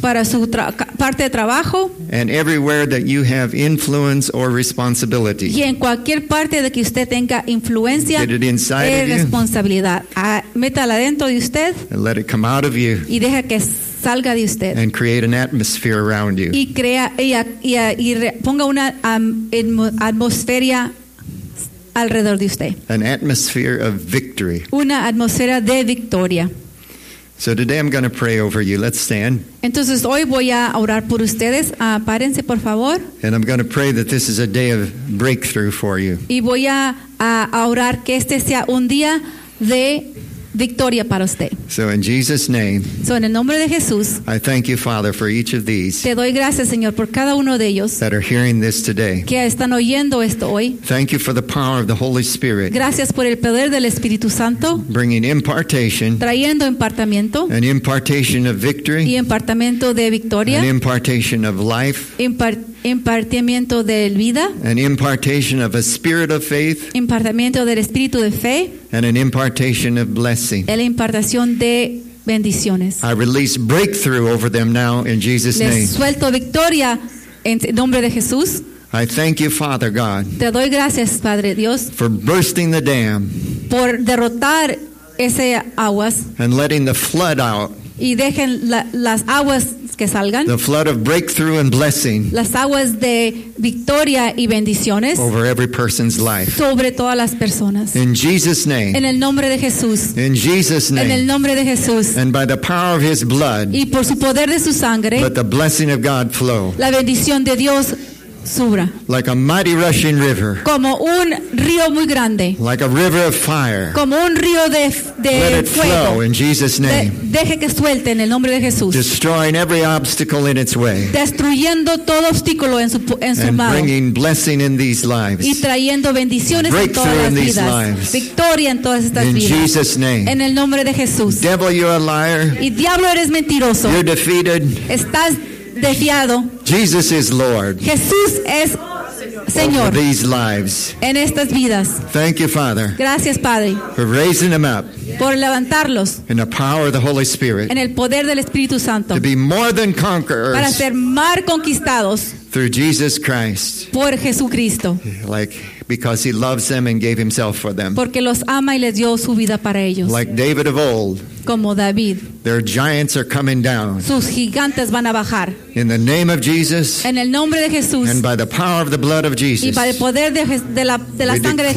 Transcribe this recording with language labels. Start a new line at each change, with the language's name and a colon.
Spanish: Para su parte de trabajo.
English: And everywhere that you have influence or responsibility.
Spanish: Y en cualquier parte de que usted tenga influencia.
English: Get it inside of you.
Spanish: Responsabilidad. Métala dentro de usted.
English: And let it come out of you.
Spanish: Y deja que salga de usted.
English: And create an atmosphere around you.
Spanish: Y crea y ponga una atmósfera alrededor de usted.
English: An atmosphere of victory.
Spanish: Una atmósfera de victoria.
English: So today I'm going to pray over you. Let's stand.
Spanish: Entonces hoy voy a orar por ustedes. Párense, por favor.
English: And I'm going to pray that this is a day of breakthrough for you.
Spanish: Y voy a orar que este sea un día de victoria para usted.
English: So in Jesus' name.
Spanish: So en el nombre de Jesús.
English: I thank you, Father, for each of these.
Spanish: Te doy gracias, Señor, por cada uno de ellos.
English: That are hearing this today.
Spanish: Que están oyendo esto hoy.
English: Thank you for the power of the Holy Spirit.
Spanish: Gracias por el poder del Espíritu Santo.
English: Bringing impartation.
Spanish: Trayendo impartamiento.
English: An impartation of victory.
Spanish: Y impartamiento de victoria.
English: An impartation of life.
Spanish: Impartamiento de vida.
English: An impartation of a spirit of faith.
Spanish: Impartamiento del espíritu de fe.
English: And an impartation of blessing.
Spanish: La impartación de bendiciones.
English: I release breakthrough over them now in Jesus'
Spanish: les
English: name.
Spanish: Les suelto victoria en nombre de Jesús.
English: I thank you, Father God.
Spanish: Te doy gracias, Padre Dios.
English: For bursting the dam.
Spanish: Por derrotar ese aguas.
English: And letting the flood out.
Spanish: Y dejen las aguas que salgan.
English: The flood of breakthrough and blessing.
Spanish: Las aguas de victoria y bendiciones.
English: Over every person's life.
Spanish: Sobre todas las personas.
English: In Jesus' name.
Spanish: En el nombre de Jesús.
English: In Jesus' name.
Spanish: En el nombre de Jesús.
English: And by the power of His blood.
Spanish: Y por su poder de su sangre.
English: Let the blessing of God flow.
Spanish: La bendición de Dios.
English: Like a mighty rushing river.
Spanish: Como un río muy grande.
English: Like a river of fire.
Spanish: Como un río de fuego.
English: Let it flow in Jesus' name.
Spanish: Deje que suelte en el nombre de Jesús.
English: Destroying every obstacle in its way.
Spanish: Destruyendo todo obstáculo en su mano.
English: And bringing blessing in these lives.
Spanish: Y trayendo bendiciones en todas las vidas.
English: Breakthrough in these lives.
Spanish: Victoria en todas estas vidas.
English: In Jesus' name.
Spanish: En el nombre de Jesús.
English: Devil, you're a liar.
Spanish: Y diablo, eres mentiroso.
English: You're defeated.
Spanish: Estás defiado.
English: Jesus is Lord.
Spanish: Jesús es Señor.
English: Over these lives.
Spanish: En estas vidas.
English: Thank you, Father.
Spanish: Gracias, Padre.
English: For raising them up.
Spanish: Por levantarlos.
English: In the power of the Holy Spirit.
Spanish: En el poder del Espíritu Santo.
English: To be more than conquerors.
Spanish: Para ser más conquistados.
English: Through Jesus Christ.
Spanish: Por Jesucristo.
English: Like because He loves them and gave Himself for them.
Spanish: Porque los ama y les dio su vida para ellos.
English: Like David of old.
Spanish: Como David.
English: Their giants are coming down.
Spanish: Sus gigantes van a bajar.
English: In the name of Jesus.
Spanish: En el nombre de Jesús.
English: And by the power of the blood of Jesus.
Spanish: Y para el poder de la sangre de Jesús.